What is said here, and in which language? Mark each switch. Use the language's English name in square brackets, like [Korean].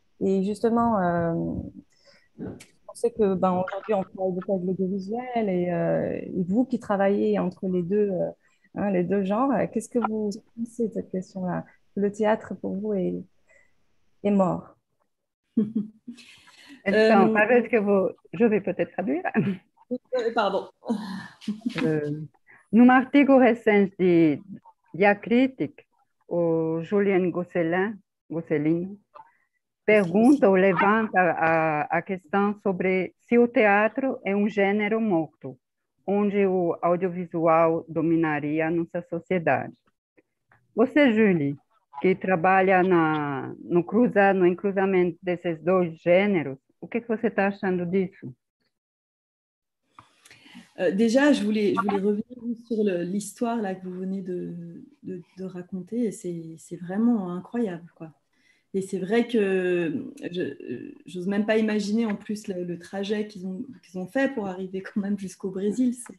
[French] Et justement, on sait que ben, aujourd'hui, on travaille beaucoup avec l'audiovisuel, et vous qui travaillez entre les deux, hein, les deux genres, qu'est-ce que vous pensez de cette question-là? Le théâtre, pour vous, est mort. Avec que vous... Je vais peut-être traduire. Pardon. [Portuguese] Num artigo recente de Diacritique, o Julien Gosselin pergunta ou levanta a questão sobre se o teatro é um gênero morto, onde o audiovisual dominaria a nossa sociedade. Você, Julie, que trabalha no cruzamento desses dois gêneros, o que você está achando disso? [French] Déjà, je voulais revenir sur l'histoire là que vous venez de raconter. C'est vraiment incroyable, quoi. Et c'est vrai que j'ose même pas imaginer en plus le trajet qu'ils ont fait pour arriver quand même jusqu'au Brésil.